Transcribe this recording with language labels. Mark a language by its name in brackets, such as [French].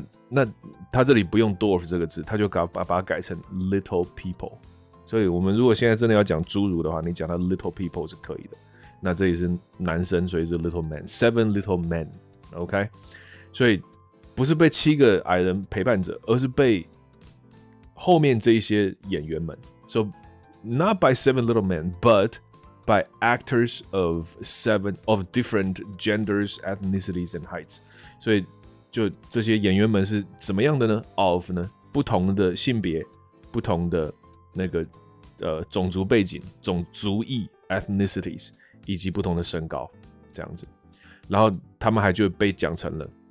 [Chinese] 那他这里不用 dwarf 这个字，他就把它改成 little people。所以我们如果现在真的要讲侏儒的话，你讲他 little people 是可以的。那这里是男生，所以是 [English] little man， seven little men， [Chinese] OK。所以不是被七个矮人陪伴着，而是被后面这一些演员们。 [English] So not by seven little men, but by actors of seven of different genders, ethnicities, and heights。 [Chinese] 所以就这些演员们是怎么样的呢 ？Of 呢？不同的性别，不同的那个种族背景、种族裔 ethnicities， 以及不同的身高这样子。然后他们还就被讲成了。